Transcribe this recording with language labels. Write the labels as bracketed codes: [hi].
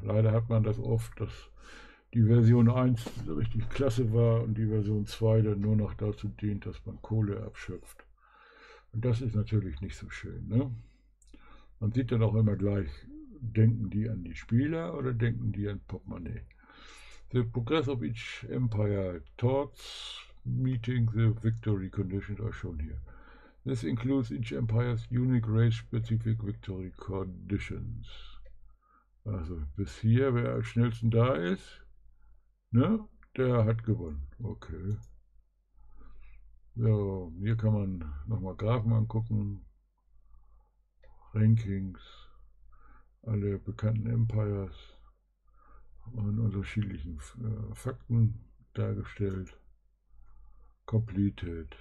[de] Leider hat man das oft, dass die Version 1 richtig klasse war und die Version 2 dann nur noch dazu dient, dass man Kohle abschöpft. Und das ist natürlich nicht so schön, ne? Man sieht dann auch immer gleich, denken die an die Spieler oder denken die an Portemonnaie? [en] The progress of each empire towards meeting the victory conditions are shown here. This includes each empire's unique race-specific victory conditions. [de] Also bis hier, wer am schnellsten da ist, ne? Der hat gewonnen. Okay. So, hier kann man nochmal Graphen angucken. Rankings, alle bekannten Empires an unterschiedlichen Fakten dargestellt. Completed.